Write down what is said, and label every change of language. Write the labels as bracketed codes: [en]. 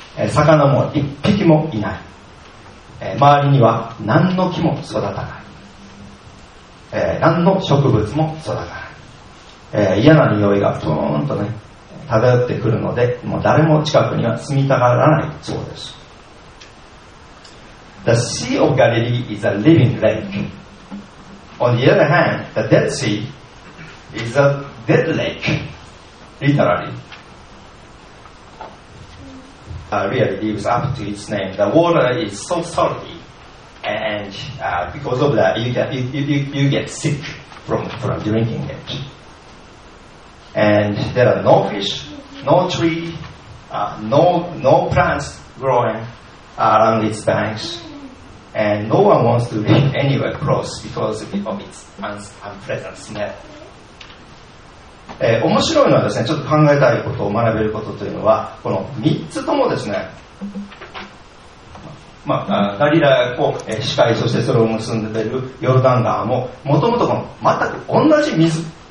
[ja] 魚も一匹もいない。周りには何の木も育たない。何の植物も育たない。嫌な匂いがプーンとね漂ってくるので、もう誰も近くには住みたがらないそうです。 [en] The Sea of Galilee is a living lake. On the other hand, the Dead Sea is a dead lake. Literally, really lives up to its name. The water is so salty and and because of that you get sick from drinking it. And there are no fish, no tree, no plants growing around its banks, and no one wants to be anywhere close because of its unpleasant smell. [ja] 面白いのはですね、ちょっと考えたいことを学べることというのは、この3つともですね、まあ、ガリラを視界、そしてそれを結んでいるヨルダン川も、もともと全く同じ水、